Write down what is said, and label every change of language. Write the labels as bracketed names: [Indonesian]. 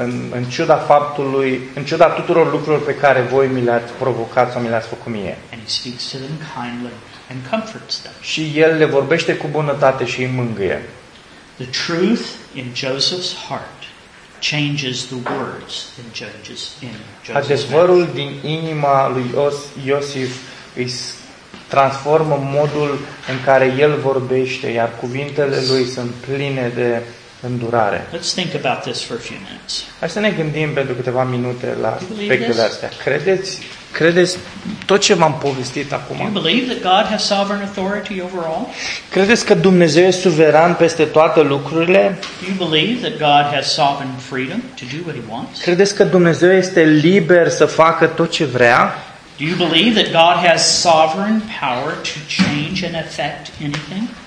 [Romanian] În ciuda faptului, în ciuda tuturor lucrurilor pe care voi mi le-ați provocat sau mi le-ați făcut mie. [English] And he speaks to them kindly and comforts them. [Romanian] Și el le vorbește cu bunătate și îi mângâie. [English] The truth in Joseph's heart changes the words in Judges in Joseph's mouth. [Romanian] Adevărul din inima lui Iosif îi transformă modul în care el vorbește, iar cuvintele lui sunt pline de îndurare. [English] Let's think about this for a few minutes. [Romanian] Hai să ne gândim pentru câteva minute la aspectele astea. Credeți tot ce v-am povestit acum? [English] Do you believe that God has sovereign authority over all? [Romanian] Credeți că Dumnezeu e suveran peste toate lucrurile? [English] Do you believe that God has sovereign freedom to do what he wants? [Romanian] Credeți că Dumnezeu este liber să facă tot ce vrea? [English] Do you believe that God has sovereign power to change and affect anything?